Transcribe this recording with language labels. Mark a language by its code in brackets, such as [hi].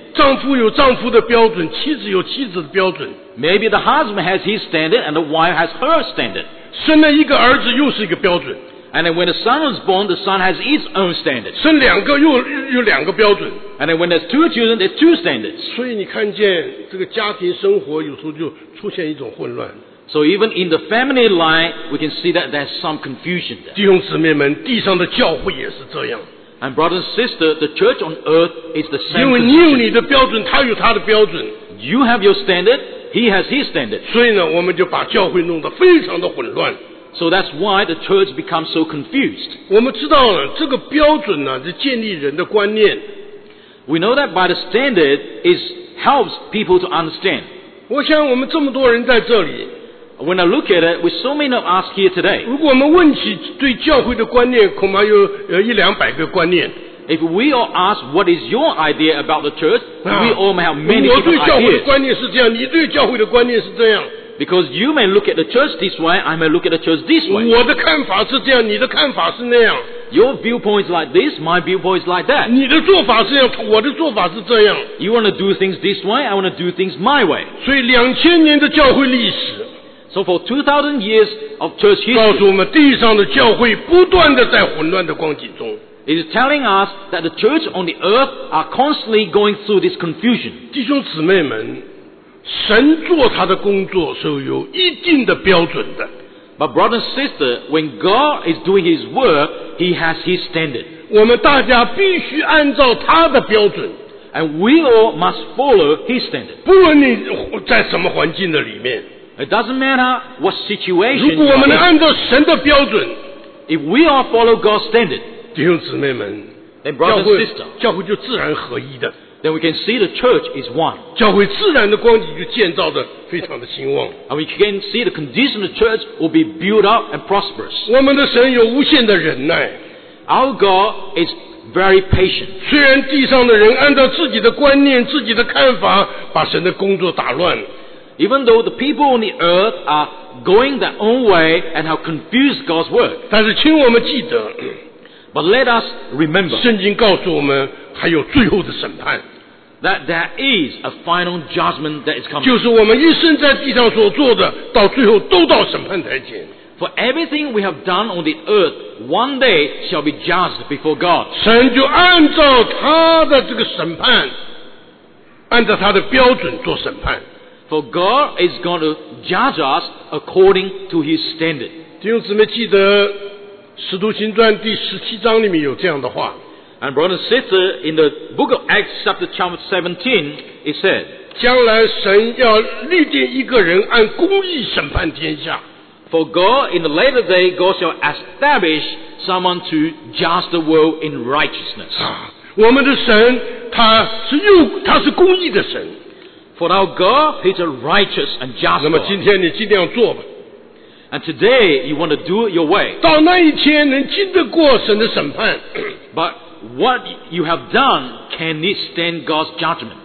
[zh] 丈夫有丈夫的标准，妻子有妻子的标准。 [en] Maybe the husband has his standard and the wife has her standard. [zh] 生了一个儿子又是一个标准。 [en] And then when a son is born, the son has his own standard. [zh] 生两个又两个标准。 [en] And then when there's two children, there's two standards. [zh] 所以你看见这个家庭生活有时候就出现一种混乱。 [en] So even in the family line, we can see that there's some confusion there. [zh] 弟兄姊妹们，地上的教会也是这样。 [en] And brother and sister, the church on earth is the same. [zh] 因为你有你的标准，他有他的标准。 [en] You have your standard, he has his standard. [zh] 所以呢，我们就把教会弄得非常的混乱。 [en] So that's why the church becomes so confused. [zh] 我们知道了这个标准呢，是建立人的观念。 [en] We know that by the standard, it helps people to understand. [zh] 我想我们这么多人在这里。 [en] When I look at it, with so many of us here today. [zh] 如果我们问起对教会的观念，恐怕有一两百个观念。 [en] If we all ask what is your idea about the church, we all may have many different ideas. [zh] 我对教会的观念是这样，你对教会的观念是这样。 [en] Because you may look at the church this way, I may look at the church this way. [zh] 我的看法是这样，你的看法是那样。 [en] Your viewpoint is like this, my viewpoint is like that. [zh] 你的做法是这样，我的做法是这样。 [en] You want to do things this way, I want to do things my way. [zh] 所以两千年的教会历史。 [en] So for 2000 years of church history. [zh] 告诉我们地上的教会不断地在混乱的光景中。 [en] It is telling us that the church on the earth are constantly going through this confusion. [zh] 弟兄姊妹们。神做他的工作是有一定的标准的。 [en] But brother and sister, when God is doing his work, he has his standard. [zh] 我们大家必须按照他的标准。 [en] And we all must follow his standard. [zh] 不论你在什么环境的里面。 [en] It doesn't matter what situation. [zh] 如果我们能按照神的标准。 [en] If we all follow God's standard. [zh] 弟兄姊妹们。 [en] And brother and sister. [zh] 教会就自然合一的。 [en] then we can see the church is one. [zh] 教会自然的光景就建造的非常的兴旺。 [en] And we can see the condition of the church will be built up and prosperous. [zh] 我们的神有无限的忍耐。 [en] Our God is very patient. [zh] 虽然地上的人按照自己的观念、自己的看法，把神的工作打乱了。 [en] Even though the people on the earth are going their own way and have confused God's work. [zh] 但是请我们记得。 [en] But let us remember. [zh] 圣经告诉我们还有最后的审判。 [en] That there is a final judgment that is coming. [zh] 就是我们一生在地上所做的到最后都到审判台前。 [en] For everything we have done on the earth, one day shall be judged before God. [zh] 神就按照他的这个审判，按照他的标准做审判。 [en] For God is going to judge us according to His standard. [zh] 弟兄姊妹，记得《使徒行传》第十七章里面有这样的话。 [en] And brother and sister, in the book of Acts, chapter 17, it said, [zh] 将来神要立定一个人按公义审判天下。 [en] For God, in the latter day, God shall establish someone to judge the world in righteousness. [zh] 我们的神，他是公义的神。 [en] For our God, He is a righteous and just God. [zh] 那么今天你尽量做吧。 [en] And today, you want to do it your way. [zh] 到那一天能经得过神的审判。 [en] But what you have done, can it stand God's judgment?